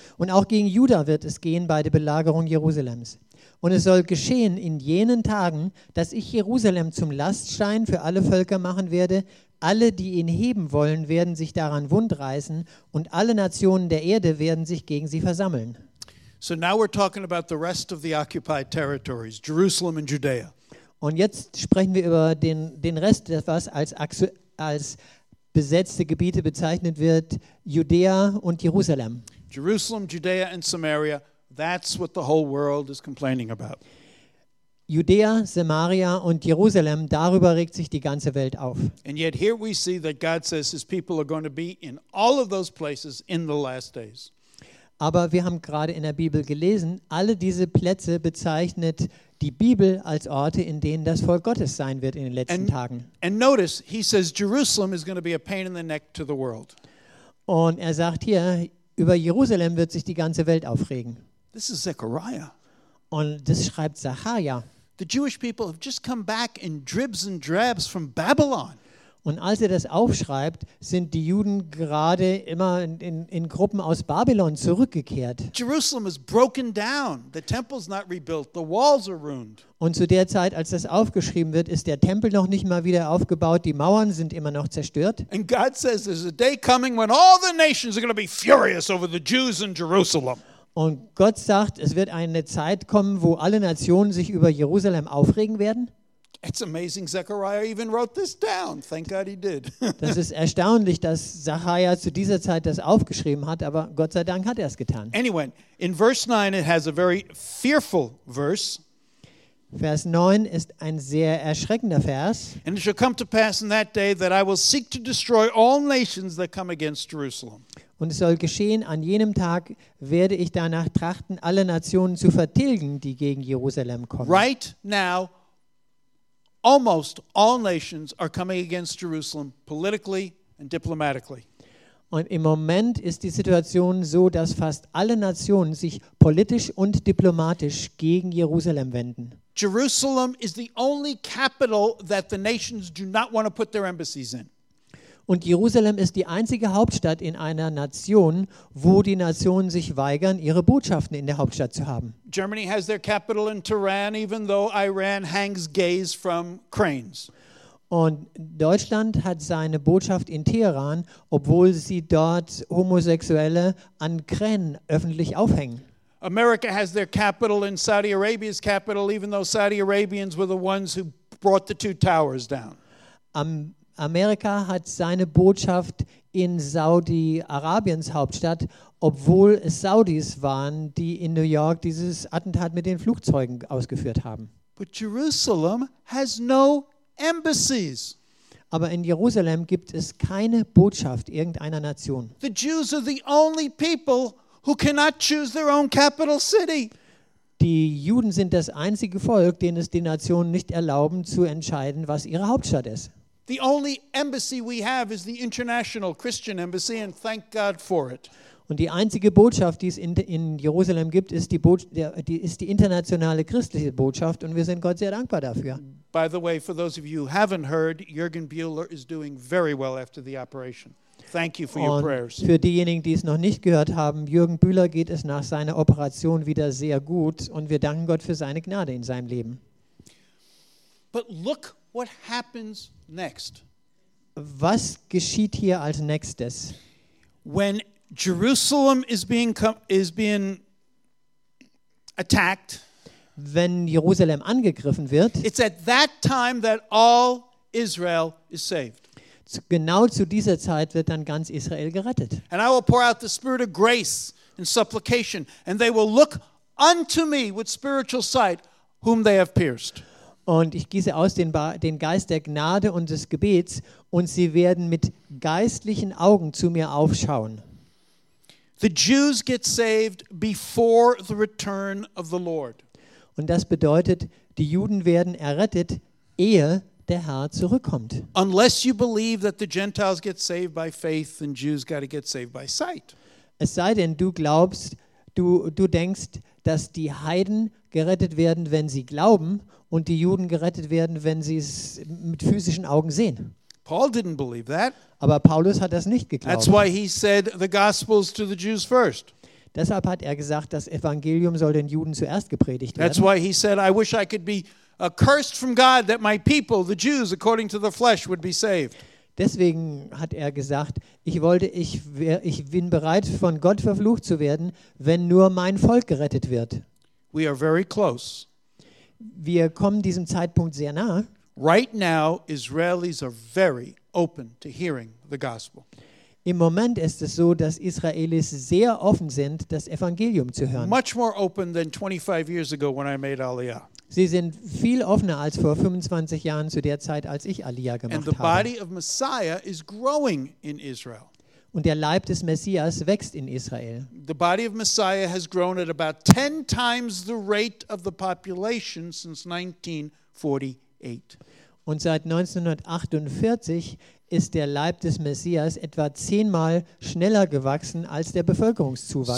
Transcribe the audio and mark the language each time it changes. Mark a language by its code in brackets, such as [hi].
[de] Und auch gegen Juda wird es gehen bei der Belagerung Jerusalems. Und es soll geschehen in jenen Tagen, dass ich Jerusalem zum Laststein für alle Völker machen werde. Alle, die ihn heben wollen, werden sich daran wundreißen und alle Nationen der Erde werden sich gegen sie versammeln. [en] So now we're talking about the rest of the occupied territories, Jerusalem and Judea. [de] Und jetzt sprechen wir über den Rest, was als besetzte Gebiete bezeichnet wird, Judäa und Jerusalem. [en] Jerusalem, Judea and Samaria, that's what the whole world is complaining about. [de] Judäa, Samaria und Jerusalem, darüber regt sich die ganze Welt auf. [en] And yet here we see that God says his people are going to be in all of those places in the last days. [de] Aber wir haben gerade in der Bibel gelesen, alle diese Plätze bezeichnet die Bibel als Orte, in denen das Volk Gottes sein wird in den letzten Tagen. [en] And notice, he says Jerusalem is going to be a pain in the neck to the world. [de] Und er sagt hier, über Jerusalem wird sich die ganze Welt aufregen. [en] This is Zechariah. [de] Und das schreibt Zechariah. [en] The Jewish people have just come back in dribs and drabs from Babylon. [de] Und als er das aufschreibt, sind die Juden gerade immer in Gruppen aus Babylon zurückgekehrt. [en] Jerusalem is broken down. The temple's not rebuilt. The walls are ruined. [de] Und zu der Zeit, als das aufgeschrieben wird, ist der Tempel noch nicht mal wieder aufgebaut. Die Mauern sind immer noch zerstört. [en] And God says there's a day coming when all the nations are going to be furious over the Jews in Jerusalem. [de] Und Gott sagt, es wird eine Zeit kommen, wo alle Nationen sich über Jerusalem aufregen werden. [en] It's amazing Zechariah even wrote this down. Thank God he did. [de] Das ist erstaunlich, dass Zechariah zu dieser Zeit das aufgeschrieben hat, aber Gott sei Dank hat er es getan. [en] Anyway, in verse 9 it has a very fearful verse. [de] Vers 9 ist ein sehr erschreckender Vers. [en] And it shall come to pass in that day that I will seek to destroy all nations that come against Jerusalem. [de] Und es soll geschehen, an jenem Tag werde ich danach trachten, alle Nationen zu vertilgen, die gegen Jerusalem kommen. [en] Right now almost all nations are coming against Jerusalem politically and diplomatically. [de] Und im Moment ist die Situation so, dass fast alle Nationen sich politisch und diplomatisch gegen Jerusalem wenden. [en] Jerusalem is the only capital that the nations do not want to put their embassies in. [de] Und Jerusalem ist die einzige Hauptstadt in einer Nation, wo die Nationen sich weigern, ihre Botschaften in der Hauptstadt zu haben. [en] Germany has their capital in Tehran, even though Iran hangs gaze from cranes. [de] Und Deutschland hat seine Botschaft in Teheran, obwohl sie dort Homosexuelle an Kränen öffentlich aufhängen. [en] America has their capital in Saudi Arabia's capital, even though Saudi Arabians were the ones who brought the two towers down. [de] Amerika hat seine Botschaft in Saudi-Arabiens Hauptstadt, obwohl es Saudis waren, die in New York dieses Attentat mit den Flugzeugen ausgeführt haben. [en] But Jerusalem has no embassies. [de] Aber in Jerusalem gibt es keine Botschaft irgendeiner Nation. [en] The Jews are the only people who cannot choose their own capital city. [de] Die Juden sind das einzige Volk, denen es die Nationen nicht erlauben, zu entscheiden, was ihre Hauptstadt ist. [en] The only embassy we have is the International Christian Embassy, and thank God for it. [de] Und die einzige Botschaft, die es in Jerusalem gibt, ist die internationale christliche Botschaft, und wir sind Gott sehr dankbar dafür. [en] By the way, for those of you who haven't heard, Jürgen Bühler is doing very well after the operation. Thank you for your prayers. [de] Für diejenigen, die es noch nicht gehört haben, Jürgen Bühler geht es nach seiner Operation wieder sehr gut, und wir danken Gott für seine Gnade in seinem Leben. [en] But look what happens next. [de] Was geschieht hier als nächstes? [en] When Jerusalem is being attacked, [de] wenn Jerusalem angegriffen wird, [en] it's at that time that all Israel is saved. [de] Genau zu dieser Zeit wird dann ganz Israel gerettet. [en] And I will pour out the spirit of grace and supplication, and they will look unto me with spiritual sight, whom they have pierced. [de] Und ich gieße aus den Geist der Gnade und des Gebets, und sie werden mit geistlichen Augen zu mir aufschauen. [en] The Jews get saved before the return of the Lord. [de] Und das bedeutet, die Juden werden errettet, ehe der Herr zurückkommt. [en] Unless you believe that the Gentiles get saved by faith, then Jews got to get saved by sight. [de] Es sei denn, du glaubst, du denkst, dass die Heiden gerettet werden, wenn sie glauben, und die Juden gerettet werden, wenn sie es mit physischen Augen sehen. [en] Paul didn't believe that. [de] Aber Paulus hat das nicht geglaubt. [en] That's why he said the gospels to the Jews first. [de] Deshalb hat er gesagt, das Evangelium soll den Juden zuerst gepredigt werden. [en] That's why he said, I wish I could be accursed from God that my people, the Jews, according to the flesh, would be saved. [de] Deswegen hat er gesagt, ich bin bereit, von Gott verflucht zu werden, wenn nur mein Volk gerettet wird. [en] We are very close. [de] Wir kommen diesem Zeitpunkt sehr nah. [en] Right now, Israelis are very open to hearing the gospel. [de] Im Moment ist es so, dass Israelis sehr offen sind, das Evangelium zu hören. [en] Much more open than 25 years ago when I made Aliyah. [de] Sie sind viel offener als vor 25 Jahren zu der Zeit, als ich Aliyah gemacht [en] And the body [de] habe. [en] Of Messiah is growing in Israel. [de] Und der Leib des Messias wächst in Israel. [en] The body of Messiah has grown at about 10 times the rate of the population since 1948. [de] Und seit 1948 ist der Leib des Messias etwa 10-mal schneller gewachsen als der Bevölkerungszuwachs